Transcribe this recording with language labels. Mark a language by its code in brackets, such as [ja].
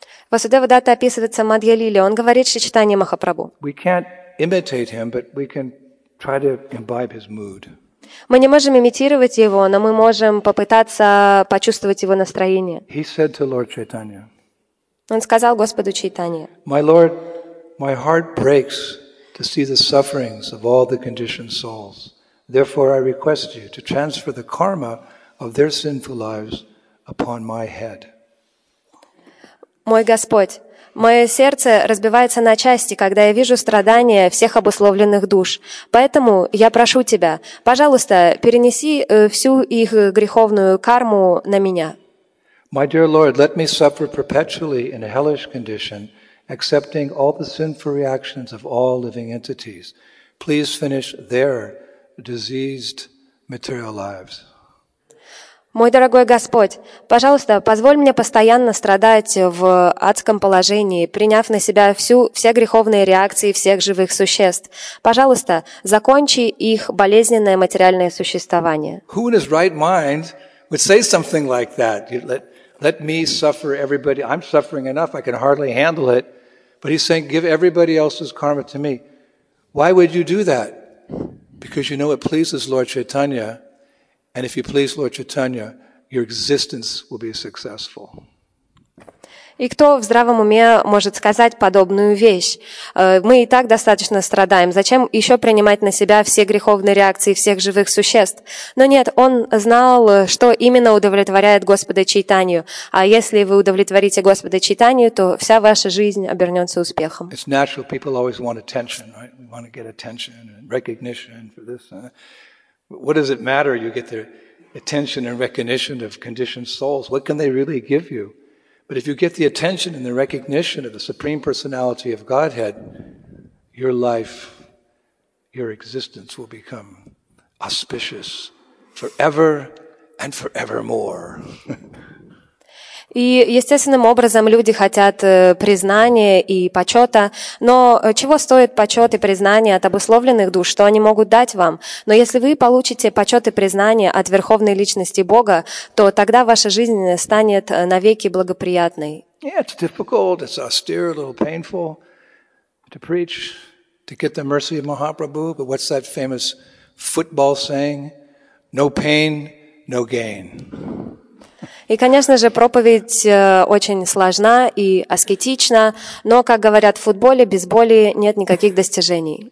[ru] Vasudeva Datta описывается в Мадья Лиле. Он говорит Шри Чайтанья Махапрабху. [en] We can't imitate him, but we can try to imbibe his mood. [ru] Мы не можем имитировать его, но мы можем попытаться почувствовать его настроение. [en] He said to Lord Chaitanya. [ru] Он сказал Господу Чайтанье. [en] My Lord, my heart breaks to see the sufferings of all the conditioned souls. Therefore, I request you to transfer the karma of their sinful lives upon my head. [ru] Мой Господь, мое сердце разбивается на части, когда я вижу страдания всех обусловленных душ. Поэтому я прошу тебя, пожалуйста, перенеси всю их греховную карму на меня. [en] My dear Lord, let me suffer perpetually in a hellish condition, accepting all the sinful reactions of all living entities. Please finish their diseased material lives. [ru] Мой дорогой Господь, пожалуйста, позволь мне постоянно страдать в адском положении, приняв на себя все греховные реакции всех живых существ. Пожалуйста, закончи их болезненное материальное существование. [en] Who in his right mind would say something like that? Let me suffer everybody. I'm suffering enough. I can hardly handle it. But he's saying, give everybody else's karma to me. Why would you do that? Because you know it pleases Lord Chaitanya. And if you please Lord Chaitanya, your existence will be successful. [ru] И кто в здравом уме может сказать подобную вещь? Мы и так достаточно страдаем. Зачем еще принимать на себя все греховные реакции всех живых существ? Но нет, он знал, что именно удовлетворяет Господа Чайтанью. А если вы удовлетворите Господа Чайтанью, то вся ваша жизнь обернется успехом. [en] It's natural. People always want attention, right? We want to get attention and recognition for this. What does it matter? You get the attention and recognition of conditioned souls. What can they really give you? But if you get the attention and the recognition of the Supreme Personality of Godhead, your life, your existence will become auspicious forever and forevermore. [ru] И естественным образом люди хотят признания и почета, но чего стоит почет и признание от обусловленных душ, что они могут дать вам? Но если вы получите почет и признание от Верховной Личности Бога, то тогда ваша жизнь станет навеки благоприятной. [en] Yeah, it's difficult, it's austere, a little painful to preach, to get the mercy of Mahaprabhu, but what's that famous football saying? No pain, no gain. [ru] И, конечно же, проповедь очень сложна и аскетична, но, как говорят, в футболе без боли нет никаких достижений.